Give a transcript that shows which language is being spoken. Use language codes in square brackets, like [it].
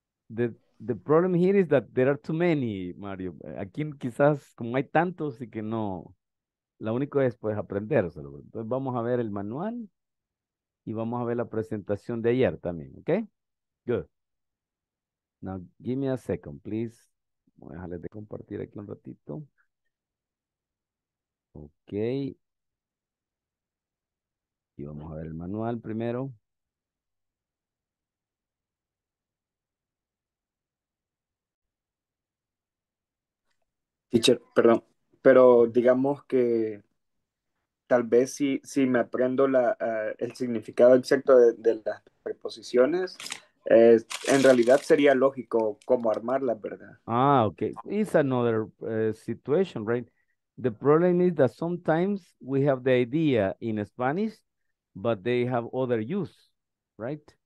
[en] The problem here is that there are too many, Mario. [es] Aquí quizás, como hay tantos y que no, lo único es pues aprendérselo. Entonces vamos a ver el manual y vamos a ver la presentación de ayer también, okay? Good. [en] Now, give me a second, please. [es] Voy a dejarles de compartir aquí un ratito. [en] Okay. [es] Aquí vamos a ver el manual primero. Teacher, perdón, pero digamos que tal vez si me aprendo el significado exacto de las preposiciones, en realidad sería lógico cómo armarla, ¿verdad? [en] Ah, okay. It's another situation, right? The problem is that sometimes we have the idea in Spanish, but they have other use, right?